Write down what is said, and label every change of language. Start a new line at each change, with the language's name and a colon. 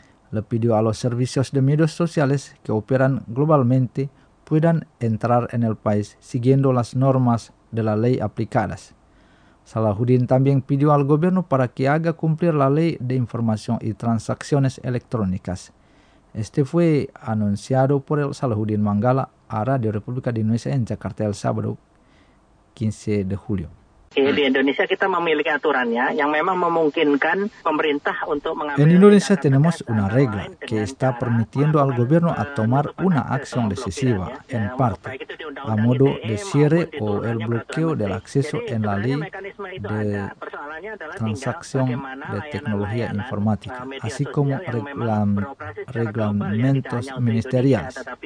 Spanish: Le pidió a los servicios de medios sociales que operan globalmente puedan entrar en el país siguiendo las normas de la ley aplicadas. Salahuddin también pidió al gobierno para que haga cumplir la ley de información y transacciones electrónicas. Este fue anunciado por el Salahuddin Manggala a Radio República de Indonesia en Jakarta el sábado 15 de julio.
Indonesian: Di Indonesia kita memiliki aturannya yang memang memungkinkan pemerintah untuk mengambil.
Spanish: En Indonesia tenemos una regla que está permitiendo al gobierno a tomar una acción decisiva en parte a modo de cierre o el bloqueo del acceso en la ley de transacción de tecnología informática, así como reglamentos ministeriales.